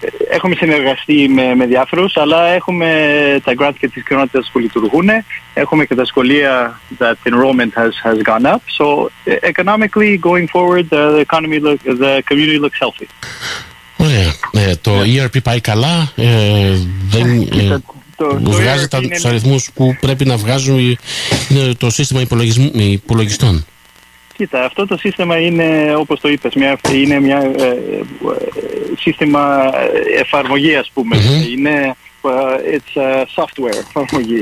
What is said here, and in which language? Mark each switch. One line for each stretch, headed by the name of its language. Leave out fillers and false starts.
Greek: Έχουμε συνεργαστεί με, με διάφορους, αλλά έχουμε τα grants και τις κοινότητες που λειτουργούν. Έχουμε και τα σχολεία
English: that the enrollment has, has gone up. So economically going forward, the economy look, the community looks healthy.
Greek: Ωραία. Το ERP πάει καλά. Δεν... Το, βγάζει το τους αριθμούς που πρέπει να βγάζουν το σύστημα υπολογιστών. Κοίτα, αυτό το σύστημα είναι, όπως το είπες, μια, είναι μια σύστημα εφαρμογή, ας πούμε. Mm-hmm. Είναι
English: it's a software
Greek: εφαρμογή.